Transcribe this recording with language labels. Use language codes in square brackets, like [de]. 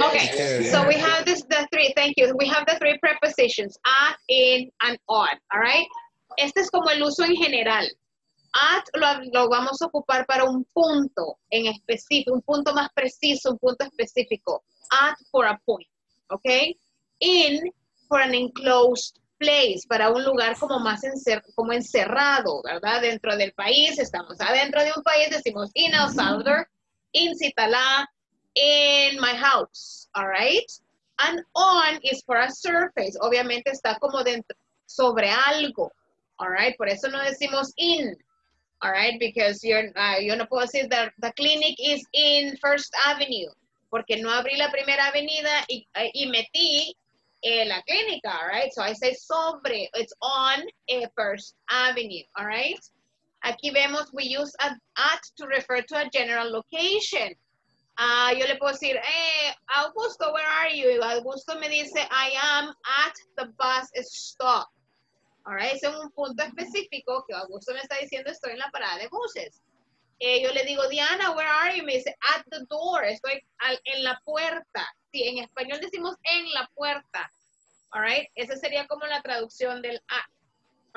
[en] Okay, so we have this, the three, thank you. We have the three prepositions, at, in, and on, all right? [es] Este es como el uso en general. At lo vamos a ocupar para un punto en específico, un punto más preciso, un punto específico. [en] At for a point, okay? In for an enclosed place, [es] para un lugar como más como encerrado, ¿verdad? Dentro del país, estamos adentro de un país, decimos [en] in El Salvador, in Citalá, in my house, all right? And on is for a surface, [es] obviamente está como dentro, sobre algo, [en] all right? [es] Por eso no decimos in. [en] All right, because you [es] no puedo decir [en] that the clinic is in First Avenue, [es] porque no abrí la primera avenida y metí la clínica, [en] all right? So I say sobre, it's on a First Avenue, all right? [es] Aquí vemos [en] we use at to refer to a general location. [es] Yo le puedo decir, [en] hey, Augusto, where are you? [es] Y Augusto me dice, [en] I am at the bus stop. All right, [es] ese es un punto específico que Augusto me está diciendo, estoy en la parada de buses. Yo le digo, Diana, [en] where are you? [es] Me dice, [en] at the door, [es] estoy en la puerta. Sí, en español decimos en la puerta. [en] All right, [es] esa sería como la traducción del at.